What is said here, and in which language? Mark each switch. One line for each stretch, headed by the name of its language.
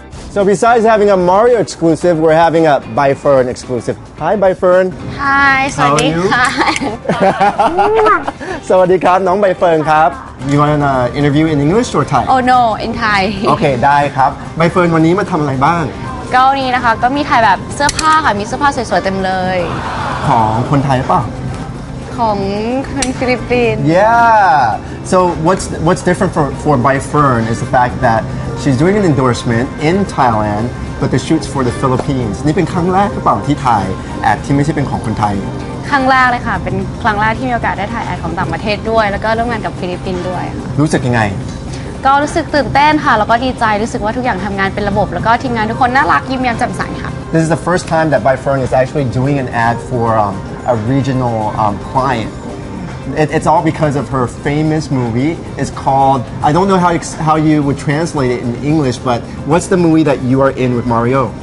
English: So besides having a Mario exclusive, we're having a Baifern exclusive. Hi, Baifern. Hi, how are you?
Thai: Sawadee krap, nong Baifern krap.
English: You want an interview in English or Thai? Oh no, in Thai.
Thai: Okay, ได้ครับ. Baifern, วันนี้มาทำอะไรบ้าง? ก็วันนี้นะคะ ก็มีถ่ายแบบเสื้อผ้าค่ะ มีเสื้อผ้าสวยๆเต็มเลย. ของคนไทยป่ะ? ของคนฟิลิปปินส์.
English: Yeah. So what's different for Baifern is the fact that she's doing an endorsement in Thailand, but the shoot's for the Philippines.
Thai: นี่เป็นครั้งแรกหรือเปล่าที่ถ่ายแอดที่ไม่ใช่เป็นของคนไทย ครั้งแรกเลยค่ะเป็นครั้งแรกที่มีโอกาสได้ถ่ายแอดของต่างประเทศด้วยแล้วก็ร่วมงานกับฟิลิปปินส์ด้วย รู้สึกยังไง ก็รู้สึกตื่นเต้นค่ะแล้วก็ดีใจรู้สึกว่าทุกอย่างทำงานเป็นระบบแล้วก็ทีมงานทุกคนน่ารักยิ้มแย้มแจ่มใสค่ะ
English: This is the first time that Baifern is actually doing an ad for a regional clientIt's all because of her famous movie. It's called, I don't know how you would translate it in English, but what's the movie that you are in with Mario?